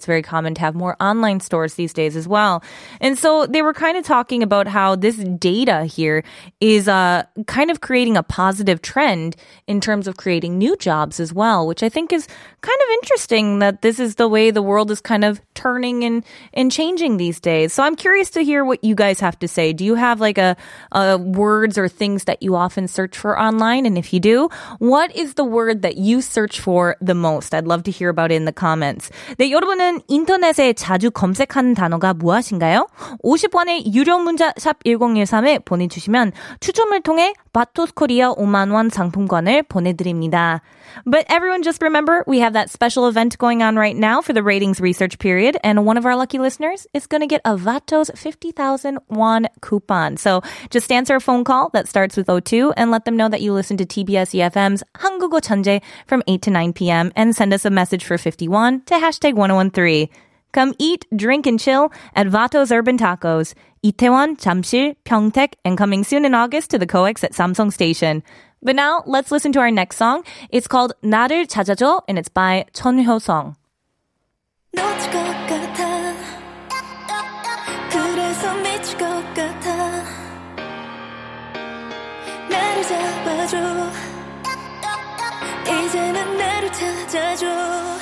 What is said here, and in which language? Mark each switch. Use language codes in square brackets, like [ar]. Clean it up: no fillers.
[en] It's very common to have more online stores these days as well. And so they were kind of talking about how this data here is kind of creating a positive trend in terms of creating new jobs as well, which I think is kind of interesting that this is the way the world is kind of turning and changing these days. So I'm curious to hear what you guys have to say. Do you have like a words or things that you often search for online? And if you do, What is the word that you search for the most? I'd love to hear about it in the comments. [ko] 네, 여러분은 인터넷에 자주 검색하는 단어가 무엇인가요? 50원의 유료 문자 샵 1013에 보내주시면 추첨을 통해 바토스 코리아 5만 원 상품권을 보내드립니다. [en] But everyone, just remember, we have that special event going on right now for the ratings research period, and one of our lucky listeners is going to get a Vato's 50,000 won coupon. So just answer a phone call that starts with 02 and let them know that you listen to TBS EFM's 한국어 천재 from 8 to 9 p.m. and send us a message for 50 won to hashtag 1013. Come eat, drink, and chill at Vato's Urban Tacos, 이태원, 잠실, 평택, and coming soon in August to the Coex at Samsung Station. But now, let's listen to our next song. It's called 나를 찾아줘, and it's by 전효성. [ko] 놓칠 것 같아 그래서 미칠 것 같아 나를 잡아줘 이제는 나를 찾아줘